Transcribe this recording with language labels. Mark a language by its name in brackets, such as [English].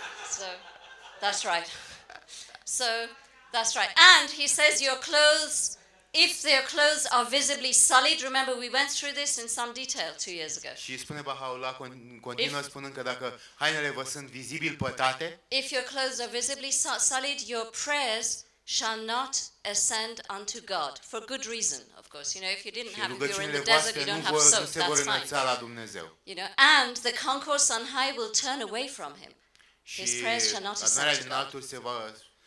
[English] So that's right. So that's right. And he says your clothes if their clothes are visibly sullied, remember we went through this in some detail 2 years ago. [Romanian] Și spune Baha'u'llah continuă spunând că dacă hainele vă sunt vizibil pătate, [English] if your clothes are visibly sullied, your prayers shall not ascend unto God for good reason, of course. You know, if you didn't have you're in the desert, you don't have soap, that's fine. [Romanian] Nu se vor la Dumnezeu. [English] You know, and the concourse on high will turn away from him. His prayers shall not ascend to God.